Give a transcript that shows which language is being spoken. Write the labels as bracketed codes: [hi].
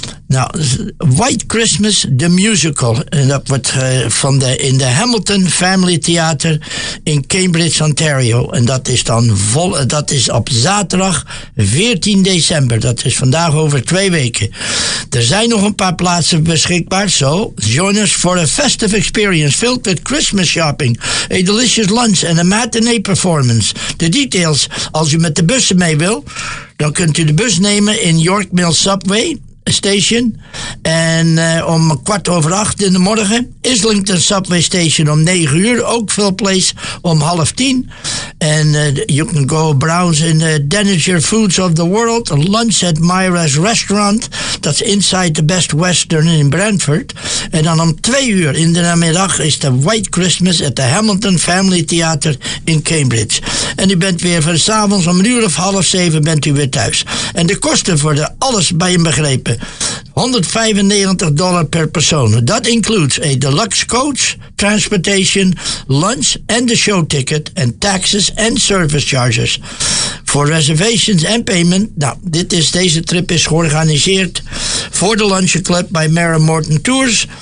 [nl] Nou, White Christmas, the musical. En dat wordt van de, in de Hamilton Family Theater in Cambridge, Ontario. En dat is dan vol, dat is op zaterdag 14 december. Dat is vandaag over 2 weken. Er zijn nog een paar plaatsen beschikbaar. [en] So, join us for a festive experience filled with Christmas shopping, a delicious lunch and a matinee performance. [nl] De details, als u met de bussen mee wil, dan kunt u de bus nemen in York Mill Subway Station en om 8:15 in de morgen. Islington Subway Station om 9:00, ook veel place om 9:30. [en] En you can go browse in the Denizen Foods of the World, lunch at Myra's Restaurant, that's inside the Best Western in Brantford. [nl] En dan om 2:00 in de namiddag is de White Christmas at the Hamilton Family Theater in Cambridge. En u bent weer van 's avonds om 6:30 bent u weer thuis. En de kosten voor de alles bij een begrepen. $195 per persoon. [en] Dat includes a deluxe coach, transportation, lunch and the show ticket, and taxes and service charges. For reservations and payment. [nl] Nou, dit is, deze trip is georganiseerd voor de Lunch Club bij Mary Morton Tours.